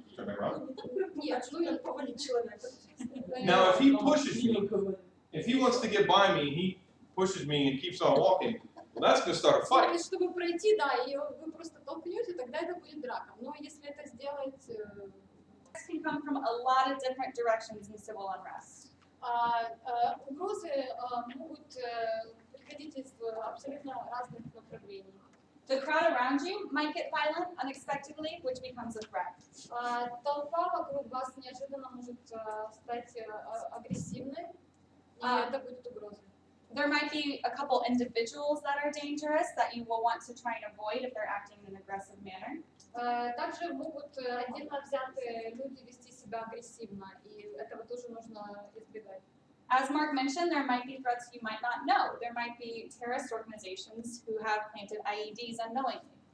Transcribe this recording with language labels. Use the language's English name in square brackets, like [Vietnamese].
[English] Now, if he pushes you, if he wants to get by me, he pushes me and keeps on walking, well, that's going to start a fight. [Russian] Чтобы пройти, да, и вы просто толкнете, тогда это будет драка. Но если это сделать... [English] This can come from a lot of different directions in civil unrest. [Russian] Угрозы могут приходить из абсолютно разных направлений. [English] The crowd around you might get violent unexpectedly, which becomes a threat. [Russian] Толпа вокруг вас неожиданно может стать агрессивной, и это будет угрозой. [English] There might be a couple individuals that are dangerous that you will want to try and avoid if they're acting in an aggressive manner. [Russian] Также могут отдельно взятые люди вести себя агрессивно, и этого тоже нужно избегать. [English] As Mark mentioned, there might be threats you might not know. There might be terrorist organizations who have planted IEDs unknowingly.